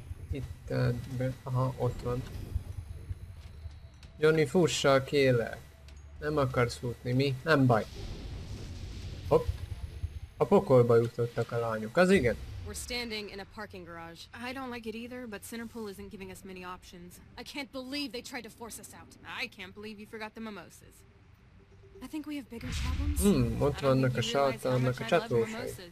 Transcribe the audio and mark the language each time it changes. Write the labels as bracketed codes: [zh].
[hu] Itt be... Aha, ott van. Johnny, fussa a kélek. Nem akarsz futni, mi? Nem baj. Hopp. A pokolba jutottak a lányok, az igen. [en] We're standing in a parking garage. I don't like it either, but Centerpool isn't giving us many options. I can't believe they tried to force us out. I can't believe you forgot the mimosas. I think we have bigger problems. [hu] Ott vannak a sátánnak a csatlósai.